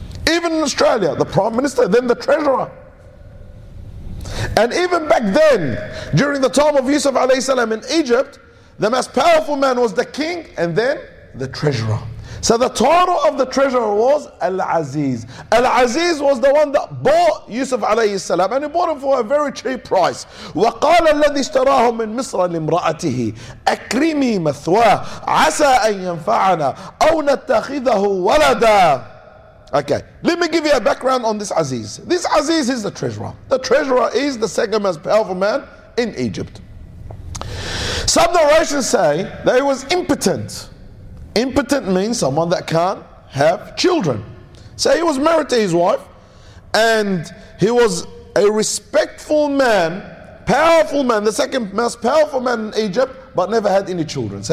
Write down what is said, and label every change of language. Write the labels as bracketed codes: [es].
[en] Even in Australia, the prime minister, then the treasurer. And even back then, during the time of Yusuf alayhi salam in Egypt, the most powerful man was the king and then the treasurer. So the title of the treasurer was Al-Aziz. Al-Aziz was the one that bought Yusuf alayhi salam, and he bought him for a very cheap price. [ar] وقال الذي اشتراه من مصر لامرأته أكرمي مثواه عسى أن ينفعنا أو نتخذه ولدا. [en] Okay, let me give you a background on this Aziz. This Aziz is the treasurer. The treasurer is the second most powerful man in Egypt. Some narrations say that he was impotent. Impotent means someone that can't have children. So he was married to his wife, and he was a respectful man, powerful man, the second most powerful man in Egypt, but never had any children.